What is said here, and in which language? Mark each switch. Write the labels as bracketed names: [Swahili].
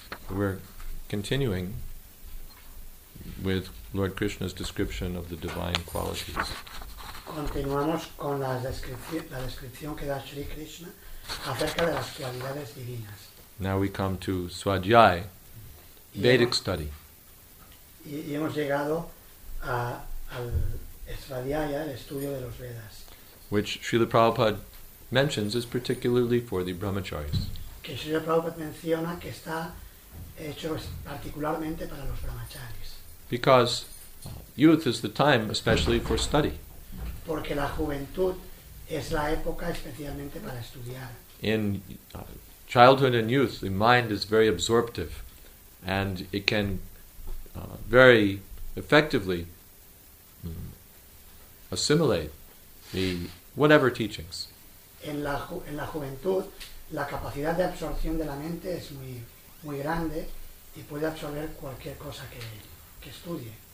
[English] We're continuing with Lord Krishna's description of the divine qualities. [Spanish] Continuamos con la descripción que da Sri Krishna acerca de las cualidades divinas. [English] Now we come to Svadhyay, Vedic study. [Spanish] Y hemos llegado al Svadhyaya, el estudio de los Vedas. [English] Which Srila Prabhupada mentions is particularly for the brahmacharis. [Spanish] Que Srila Prabhupada menciona que está hecho particularmente para los brahmacharis. [English] Because youth is the time especially for study. [Spanish] Porque la juventud es la época especialmente para estudiar. [English] In childhood and youth, the mind is very absorptive and it can very effectively assimilate the whatever teachings. [Spanish] En la juventud, la capacidad de absorción de la mente es muy, muy grande y puede absorber cualquier cosa que estudie.